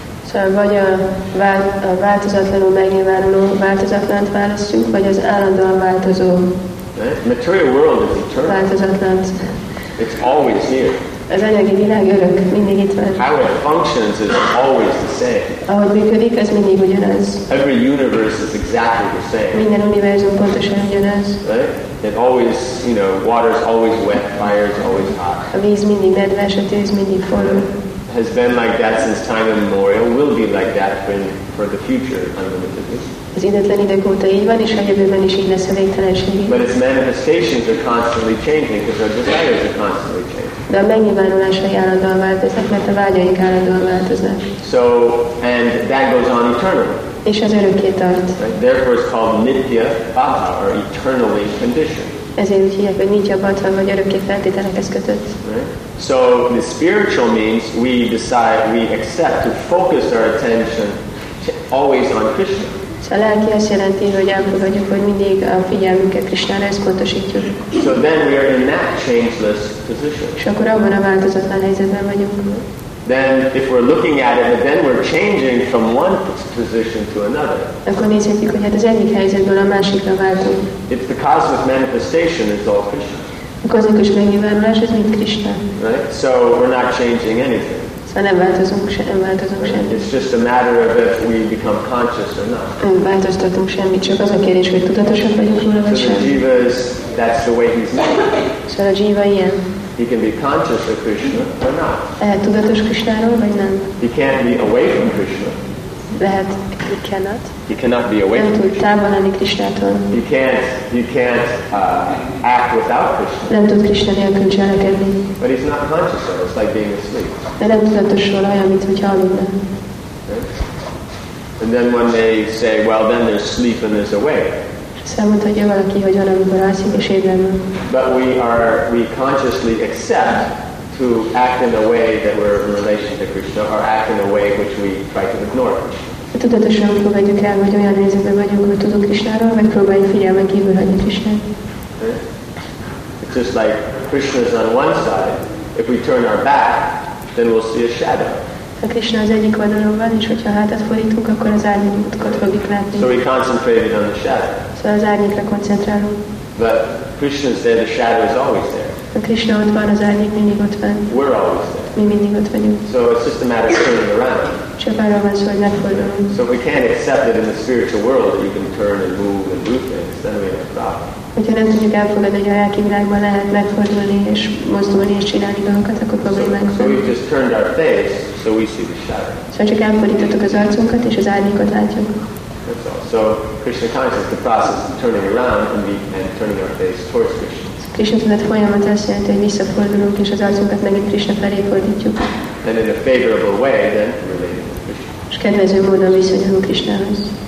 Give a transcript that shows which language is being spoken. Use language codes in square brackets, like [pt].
[hu] So vagy a változatlanul megnyilvánuló változatlant választjuk, vagy az állandóan változó. [en] Right? Material world is eternal. [hu] Változatlan. [en] It's always here. [hu] Az anyagi világ örök, mindig itt van. [en] How it functions is always the same. [hu] Ahogy működik, az mindig ugyanaz. [en] Every universe is exactly the same. [hu] Minden univerzum pontosan ugyanaz. [en] Right? It always, you know, water is always wet, fire is always hot. [hu] A víz mindig nedves, a tűz mindig forró. [en] Has been like that since time immemorial, will be like that for the future, unlimitedly. [hu] Az idetlen idők óta így van, és a jövőben is így lesz a végtelenségig. [en] But its manifestations are constantly changing, because our desires are constantly changing. [hu] De a megnyilvánulásai állandóan változnak, mert a vágyaink állandóan változnak. [en] So, and that goes on eternally. [hu] És az örökké tart. [en] Right? Therefore it's called nitya bhava, or eternally conditioned. [hu] Ezért úgy hívják, hogy nitya bhava, vagy örökké feltételekhez kötött. [en] Right? So the spiritual means we decide, we accept to focus our attention always on Krishna. [hu] A lelki azt jelenti, hogy elfogadjuk, hogy mindig a figyelmünket Krisnára összpontosítjuk. [en] So then we are in that changeless position. [hu] És akkor abban a változatlan helyzetben vagyunk. [en] Then if we're looking at it, then we're changing from one position to another. [hu] Akkor nézhetjük, hogy hát az egyik helyzetből a másikra váltunk. [en] It's the cosmic manifestation, it's all Krishna. [hu] A kozmikus megnyilvánulás, ez mind Krisna. [en] Right? So we're not changing anything. [hu] Nem változunk se, nem változunk semmit. [en] It's just a matter of if we become conscious or not. [hu] Nem változtatunk semmit, csak az a kérdés, hogy tudatosak vagyunk róla, vagy sem. [en] So the jiva is, that's the way he's made. [hu] So a jiva ilyen. [en] He can be conscious of Krishna or not. [hu] Tudatos Krishnáról vagy nem. [en] He can't be away from Krishna. [hu] Lehet, [en] he cannot. He cannot be away from Krishna. [hu] Nem tud távol lenni Krishnától. [en] He can't act without Krishna. [hu] Nem tud Krishna nélkül cselekedni. [en] But he's not conscious of it. It's like being asleep. [hu] De nem tudatos róla, olyan, mint hogy aludna. [en] And then one may say, well, then there's sleep and there's awake. [hu] Elmondhatja valaki, hogy van, amikor alszik és ébren van. [en] But we consciously accept to act in a way that we're in relation to Krishna, or act in a way which we try to ignore Krishna. [hu] Tudatosan fogadjuk el, hogy olyan helyzetben vagyunk, hogy tudunk Krishnáról, vagy próbáljuk figyelmen kívül hagyni Krishnát. [en] It's just like Krishna is on one side. If we turn our back, then we'll see a shadow. [hu] Ha Krishna az egyik oldalon van, és hogyha hátat fordítunk, akkor az árnyékot fogjuk látni. [en] So we concentrated on the shadow. [hu] Szóval az árnyékra koncentrálunk. [en] But Krishna is there, the shadow is always there. [hu] A Krishna ott van, az árnyék mindig ott van. [en] We're always there. [hu] Mi mindig ott vagyunk. [en] So it's just a matter of turning around. [hu] Csak arra van szó, hogy megfordulunk. [en] So if we can't accept it in the spiritual world that you can turn and move and do things, then we have a problem. [hu] Hogyha nem tudjuk elfogadni, hogy a lelki világban lehet megfordulni és mozdulni és csinálni dolgokat, akkor problémánk van. [en] So we've just turned our face, so we see the shadow. [hu] Szóval csak elfordítottuk az arcunkat és az árnyékot látjuk. [en] So Krishna consciousness, the process of turning around and turning our face towards Krishna. [hu] Krishna tudat folyamat azt jelenti, hogy visszafordulunk és az arcunkat megint Krishna felé fordítjuk. [en] And in a favorable way, then relating to Krishna. [hu] És kedvező módon viszonyulunk Krishnához.